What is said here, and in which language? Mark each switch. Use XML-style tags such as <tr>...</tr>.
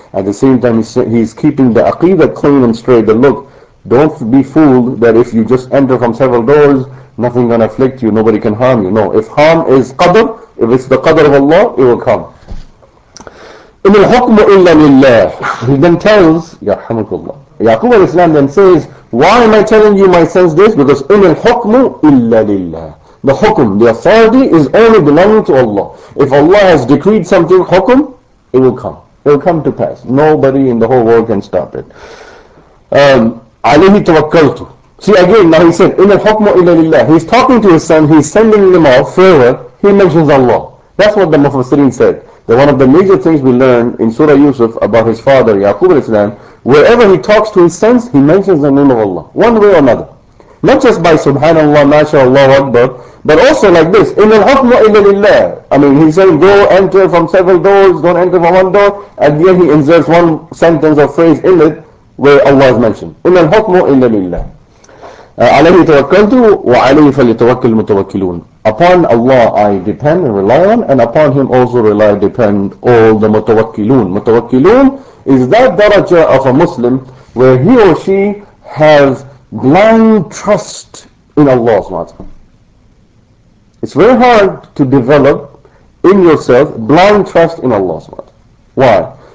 <en>At the same time, he's keeping the aqidah clean and straight. The look, don't be fooled that if you just enter from several doors, nothing gonna afflict you, nobody can harm you. No, if harm is qadr, if it's the qadr of Allah, it will come.</en> <ar>إِنِ الْحُكْمُ إِلَّا لِلَّهِ.</ar> <en>He then tells,</en> <ar>Yahamukullah.</ar> <en>Yaqub al-Islam then says, why am I telling you my sons this? Because</en> <ar>إِنِ الْحُكْمُ إِلَّا لِلَّهِ.</ar> <en>The hukum, the authority, is only belonging to Allah. If Allah has decreed something, hukum, it will come. It will come to pass. Nobody in the whole world can stop it.</en> <ar>عَلَيْهِ تَوَكَّلْتُ.</ar> <en>See, again, now he said,</en> <ar>إِنَ الْحُكْمُ إِلَّا لِلَّهِ.</ar> <en>He's talking to his son, he's sending them off, further, he mentions Allah. That's what the Mufassirin said. That one of the major things we learn in Surah Yusuf about his father, Yaqub al-Islam, wherever he talks to his sons, he mentions the name of Allah, one way or another. Not just by subhanallah, mashallah, akbar, but also like this,</en> <ar>in al-hukmu illa lillah.</ar> <en>I mean, he's saying, go enter from several doors, don't enter from one door, and then he inserts one sentence or phrase in it where Allah is mentioned.</en> <ar>In al-hukmu illa lillah. عليه توكلت وعليه فليتوكل المتوكلون.</ar> <en>Upon Allah I depend and rely on, and upon Him also rely depend all the متوكلون. متوكلون is that درجة of a Muslim where he or she has blind trust in Allah SWT. It's very hard to develop in yourself blind trust in Allah SWT. Why?</en>